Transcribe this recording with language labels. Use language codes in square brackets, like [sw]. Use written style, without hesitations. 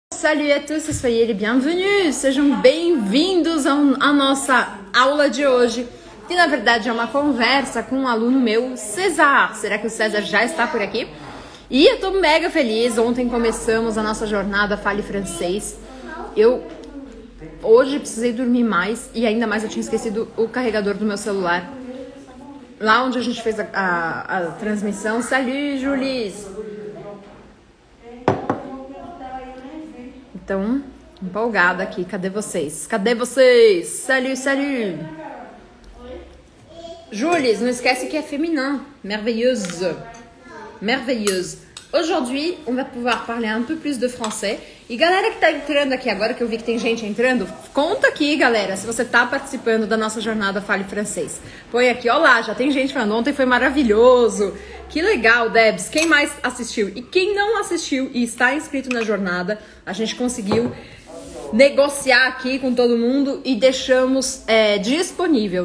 [fr] Salut à tous, soyez les bienvenus! [pt] Sejam bem-vindos à nossa aula de hoje, que na verdade é uma conversa com um aluno meu, César. Será que o César já está por aqui? E eu tô mega feliz, ontem começamos a nossa jornada Fale Francês. Eu hoje precisei dormir mais e ainda mais eu tinha esquecido o carregador do meu celular. Lá onde a gente fez a transmissão. [fr] Salut, Julis! [pt] Então, empolgada aqui. Cadê vocês? Cadê vocês? [fr] Salut, salut! [pt] Julis, não esquece que é feminin. [fr] Merveilleuse. Merveilleuse. Aujourd'hui, on va pouvoir parler un peu plus de français. [pt] E galera que tá entrando aqui agora, que eu vi que tem gente entrando, conta aqui, galera, se você tá participando da nossa jornada Fale Francês. Põe aqui, olá, já tem gente falando, ontem foi maravilhoso. Que legal, Debs, quem mais assistiu? E quem não assistiu e está inscrito na jornada, a gente conseguiu negociar aqui com todo mundo e deixamos disponível.